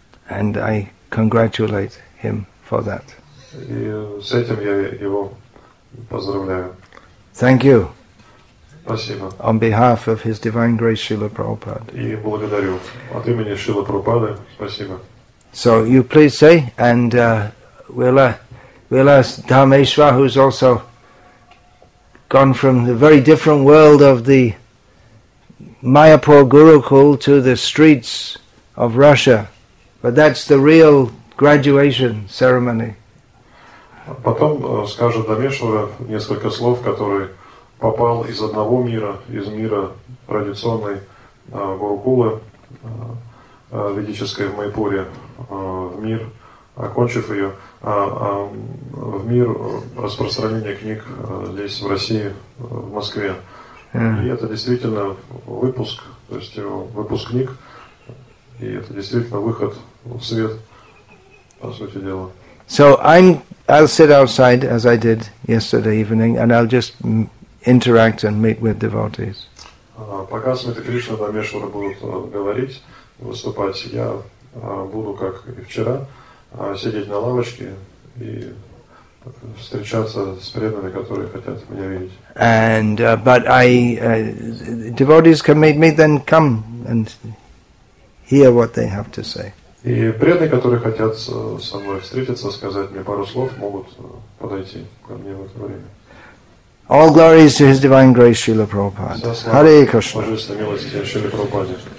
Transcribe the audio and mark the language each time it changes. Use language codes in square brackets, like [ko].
[en] And I congratulate him for that. [ru] И с этим я его поздравляю. [en] Thank you. [ru] Спасибо. [en] On behalf of His Divine Grace Srila Prabhupada. [ru] И благодарю. От имени Шрилы Прабхупады. Спасибо. [en] So you please say, and we'll ask Dharmeshwa, who's also gone from the very different world of the Mayapur Gurukul to the streets of Russia. But that's the real graduation ceremony. [ru] Потом скажет Дамешвара несколько слов, который попал из одного мира, из мира традиционной Гурукулы, ведической в Майпуре, в мир, окончив ее, в мир распространения книг здесь, в России, в Москве. Yeah. И это действительно выпуск, то есть выпуск книг, и это действительно выход в свет, по сути дела. [en] So I'll sit outside, as I did yesterday evening, and I'll just interact and meet with devotees. [ru] Пока Смита Кришна и Дамешвара будут говорить, выступать, я буду, как и вчера, сидеть на лавочке и встречаться с преданными, которые хотят меня видеть. [en] And but I, devotees can meet me, then come and hear what they have to say. [ru] И преданные, которые хотят со мной встретиться, сказать мне пару слов, могут подойти ко мне в это время. [en] All glories to His Divine Grace, Srila Prabhupada. [ru] Hare Krishna. Божественная милость Шрилы Прабхупаде.